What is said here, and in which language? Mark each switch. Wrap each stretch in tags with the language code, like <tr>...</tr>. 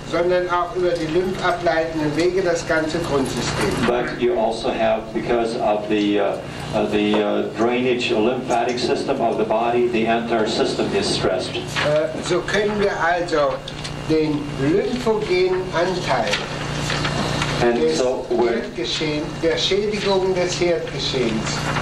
<de>sondern auch über die lymphableitenden Wege das ganze Grundsystem.</de> <en>But you also have, because of the drainage lymphatic system of the body, the entire system is stressed.</en> <de>So können wir also den lymphogenen Anteil der Schädigung des Herdgeschehens.</de>